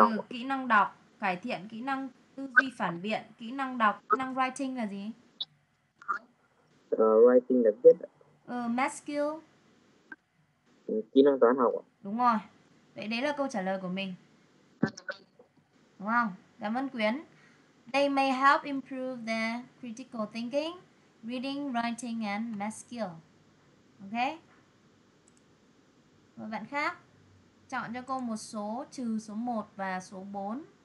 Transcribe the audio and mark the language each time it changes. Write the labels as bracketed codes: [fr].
[vi] Kỹ năng đọc, cải thiện kỹ năng tư duy phản biện, kỹ năng đọc, kỹ năng writing là gì? Writing là viết. [en] Math skill. [vi] Kỹ năng toán học ạ. Đúng rồi. Vậy đấy là câu trả lời của mình. Đúng không? Cảm ơn Quyến. [en] They may help improve their critical thinking, reading, writing and math skill. Ok. [vi] Rồi bạn khác, chọn cho cô một số trừ số 1 và số 4.